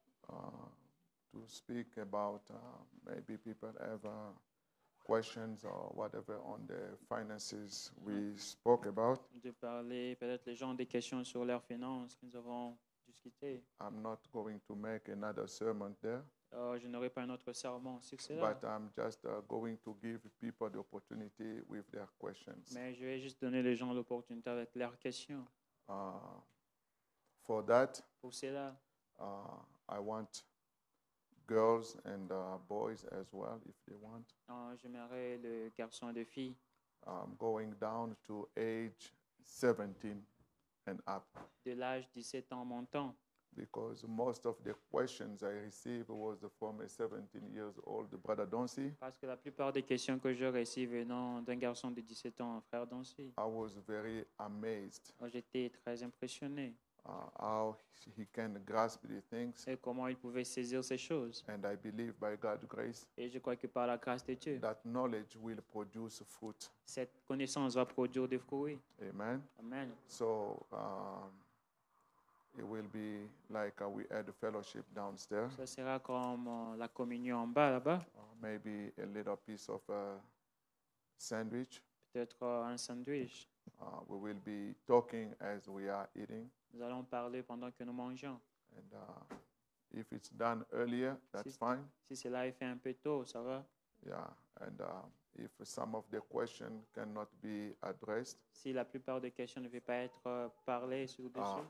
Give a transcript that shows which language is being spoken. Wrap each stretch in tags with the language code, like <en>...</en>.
<en>To speak about maybe people have questions or whatever on the finances we spoke about.</en> <fr>De parler peut-être les gens des questions sur leurs finances que nous avons discuté.</fr> <en>I'm not going to make another sermon there.</en> <fr>Je n'aurai pas un autre sermon sur cela.</fr> <en>But I'm just going to give people the opportunity with their questions.</en> <fr>Mais je vais juste donner les gens l'opportunité avec leurs questions.</fr> <en>For that,</en> <fr>pour cela,</fr> <en>I want girls and boys as well, if they want.</en> <fr>J'aimerais les garçons et les filles.</fr> <en>I'm going down to age 17 and up.</en> <fr>De l'âge 17 ans montant.</fr> <en>Because most of the questions I received was from a 17 years old brother Doncy.</en> <fr>Parce que la plupart des questions que je reçois venant d'un garçon de 17 ans, frère Doncy.</fr> <en>I was very amazed.</en> <fr>J'étais très impressionné.</fr> <en>How he can grasp the things.</en> <fr>Et comment il pouvait saisir ces choses.</fr> <en>And I believe by God's grace.</en> <fr>Et je crois que par la grâce de Dieu.</fr> <en>That knowledge will produce fruit.</en> <fr>Cette connaissance va produire des fruits.</fr> <en>Amen.</en> <fr>Amen.</fr> <en>So. It will be like we had a fellowship downstairs.</en> <fr>Ça sera comme la communion en bas là-bas.</fr> <en>Maybe a little piece of a sandwich.</en> <fr>Peut-être un sandwich.</fr> <en>We will be talking as we are eating.</en> <fr>Nous allons parler pendant que nous mangeons.</fr> <en>And if it's done earlier, that's fine.</en> <fr>Si cela est fait un peu tôt, ça va.</fr> <en>Yeah, and if some of the questions cannot be addressed,</en> <fr>si la plupart des questions ne veulent pas être parlées sur dessus,</fr>